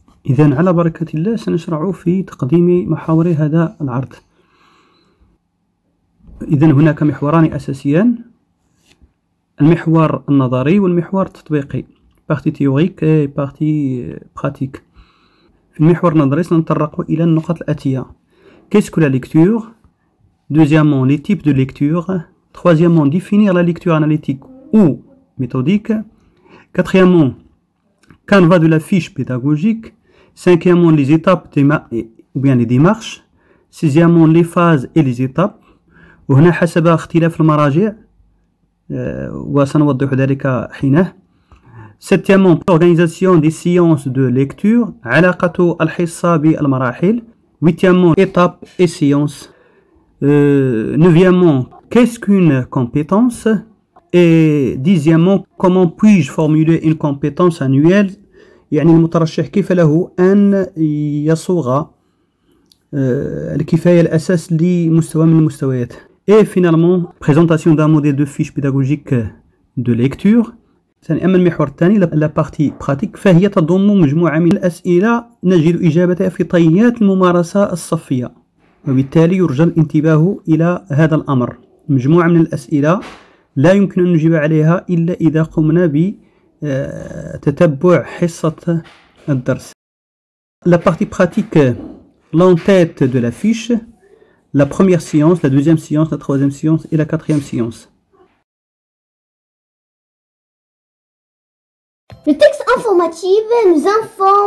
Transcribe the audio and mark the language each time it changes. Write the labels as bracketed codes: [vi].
[ar] إذن على بركة الله سنشرع في تقديم محاور هذا العرض. إذن هناك محوران أساسيان، المحور النظري والمحور التطبيقي [fr] partie théorique et partie pratique. [ar] في المحور النظري سنتطرق إلى النقاط الآتية: [fr] qu'est-ce que la lecture؟ deuxièmement les types de lecture، troisièmement définir la lecture analytique ou méthodique، quatrièmement qu'en va de la fiche pédagogique، cinquièmement les étapes ou bien les démarches، sixièmement les phases et les étapes. [ar] وهنا حسب اختلاف المراجع وسنوضح ذلك حينه. [fr] septièmement organisation des séances de lecture، [ar] علاقة الحصة بالمراحل. [fr] huitièmement étapes et séances. neuvièmement qu'est-ce qu'une compétence، et dixièmement comment puis-je formuler une compétence annuelle، [ar] يعني المترشح كيف له أن يصوغ الكفاية الأساس لمستوى من المستويات. [fr] Et finalement présentation d'un modèle de fiche pédagogique de lecture. [ar] أما المحور الثاني [fr] la partie pratique [ar] فهي تضم مجموعة من الأسئلة نجد إجابتها في طيات الممارسة الصفية، وبالتالي يرجى الانتباه إلى هذا الأمر. مجموعة من الأسئلة لا يمكن أن نجيب عليها إلا إذا قمنا ب تتبع حصة الدرس. [fr] La partie pratique l'en-tête de la fiche، la première séance، la deuxième séance، la troisième séance et la quatrième séance. Le texte informatif nous informe.